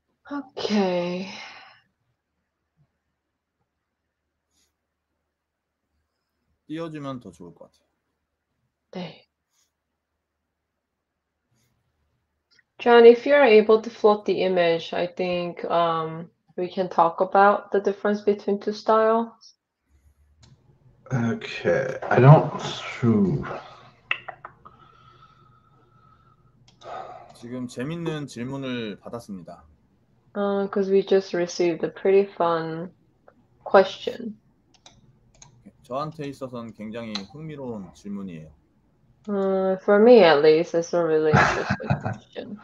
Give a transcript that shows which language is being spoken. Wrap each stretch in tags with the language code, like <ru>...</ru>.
<ko>오케이. 띄워주면 더 좋을 것 같아요. 네.</ko> <en>John, if you're able to float the image, I think we can talk about the difference between two styles. Okay, I don't true.</en> <ko>지금 재밌는 질문을 받았습니다.</ko> <en>Because we just received a pretty fun question.</en> <ko>저한테 있어서는 굉장히 흥미로운 질문이에요.</ko> <en>For me, at least, it's a really interesting question.</en>